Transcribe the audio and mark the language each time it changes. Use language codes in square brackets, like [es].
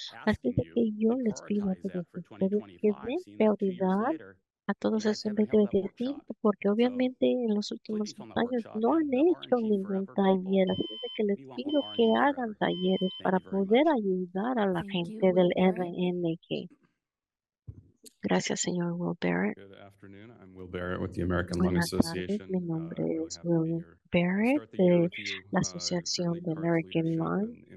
[es] Así que yo les pido a todos ustedes que den prioridad a todos esos 2025, porque obviamente en los últimos años no han hecho ningún taller. Así que les pido que hagan talleres para poder ayudar a la gente del RNG. Gracias, señor Will Barrett. [en] Good afternoon. I'm Will Barrett with the American Lung Association. [es] Mi nombre es William Barrett, de la Asociación de American Lung.